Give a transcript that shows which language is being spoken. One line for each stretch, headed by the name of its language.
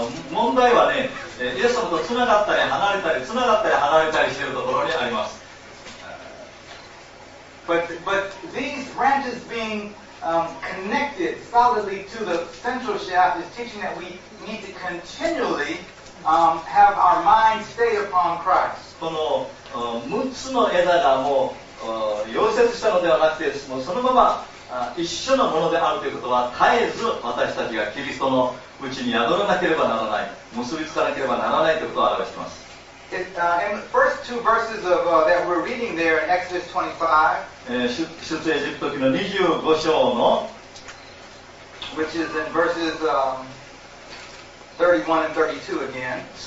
Japanese: 問題はね、イエス様とつながったり離れたり、つながったり離れたりしているところにあります。
English: but these branches being connected solidly to the central shaft is teaching that we need to continually have our mind stay upon Christ.
Japanese: この6つの枝がもう溶接したのではなくて、もうそのまま一緒のものであるということは、絶えず私たちがキリストのうちに宿らなければならない、結びつかなければならないということを表しています。
English: In the first two verses of, that we're reading there in Exodus 25,
Japanese: 出エジプト記の25章の、
English: which is in verses 31 and 32 again,